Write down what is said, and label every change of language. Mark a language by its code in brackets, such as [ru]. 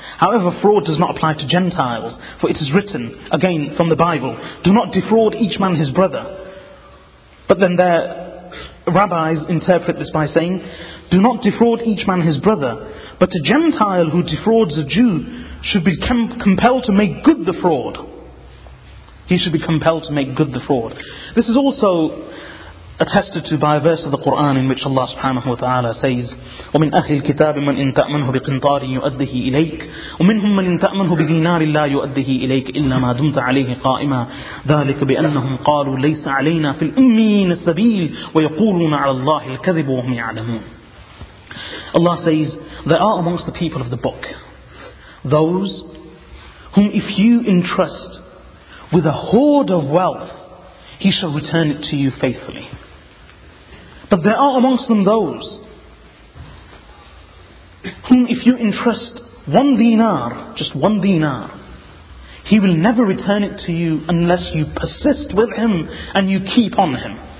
[en] However, fraud does not apply to Gentiles, for it is written, again from the Bible, do not defraud each man his brother. But then their rabbis interpret this by saying, do not defraud each man his brother, but a Gentile who defrauds a Jew should be compelled to make good the fraud. He should be compelled to make good the fraud. This is also attested to by a verse of the Quran in which Allah subhanahu wa ta'ala says, [ar] وَمِنْ أَهْلِ الْكِتَابِ مَنْ إِنْ تَأْمَنْهُ بِقِنْطَارٍ يُؤَدِّهِ إِلَيْكَ وَمِنْهُمْ مَنْ إِنْ تَأْمَنْهُ بِدِينَارٍ لَا يُؤَدِّهِ إِلَيْكَ إِلَّا مَا دُمْتَ عَلَيْهِ قَائِمًا ذَلِكَ بِأَنَّهُمْ قَالُوا لَيْسَ عَلَيْنَا فِي الْأُمِّيِّينَ السَّبِيلُ وَيَقُولُونَ عَلَى اللَّهِ الْكَذِبُ وَهُمْ يَعْلَمُونَ. [en] Allah says, there are amongst the people of the book those whom if you entrust with a hoard of wealth, he shall return it to you faithfully. But there are amongst them those whom if you entrust one dinar, just one dinar, he will never return it to you unless you persist with him and you keep on him.